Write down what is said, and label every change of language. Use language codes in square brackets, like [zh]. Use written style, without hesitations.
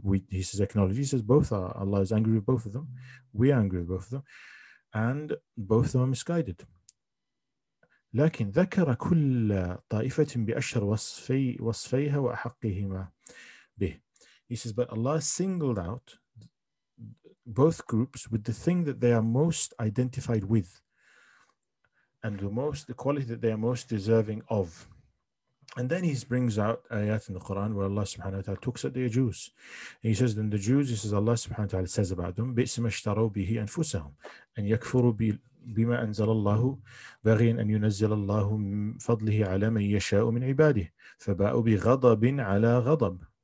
[en] He says both are, Allah is angry with both of them, we are angry with both of them, and both of them are misguided. [ar] لكن ذكر كل طائفة بأشهر وصفيها وأحقهما به. [en] He says, but Allah singled out both groups with the thing that they are most identified with and the quality that they are most deserving of. And then he brings out ayat in the Quran where Allah subhanahu wa ta'ala talks at the Jews. And he says, then the Jews, he says, Allah subhanahu wa ta'ala says about them, [ar] بِئْسِمَ اشْتَرَوْ بِهِ أَنفُسَهُمْ أَنْ يَكْفُرُوا بِمَا أَنزَلَ اللَّهُ بَغِيًا أَنْ يُنَزِّلَ اللَّهُ فَضْلِهِ عَلَى مَنْ يَشَاءُ مِنْ عِبَادِهِ فَبَاءُوا بِغَضَبٍ عَلَى غَضَبٍ.